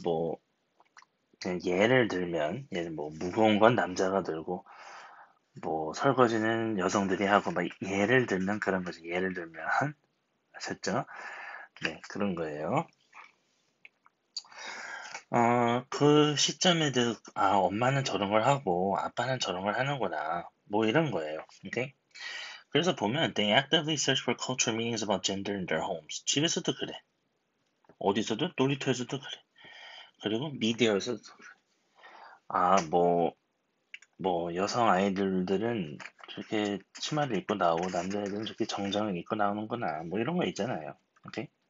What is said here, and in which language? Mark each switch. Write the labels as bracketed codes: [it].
[ko] 뭐, 예를 들면, 예를 뭐, 무거운 건 남자가 들고, 뭐, 설거지는 여성들이 하고, 막, 예를 들면 그런 거죠. 예를 들면. 아셨죠? 네, 그런 거예요. 그 시점에, 아, 엄마는 저런 걸 하고, 아빠는 저런 걸 하는구나. 뭐, 이런 거예요. 오케이? 그래서 보면, [en] they actively search for cultural meanings about gender in their homes. [ko] 집에서도 그래. 어디서도? 놀이터에서도 그래. 그리고 미디어에서도 아, 뭐 여성 아이들들은 저렇게 치마를 입고 나오고 남자애들은 저렇게 정장을 입고 나오는구나 뭐 이런 거 있잖아요. 오케이?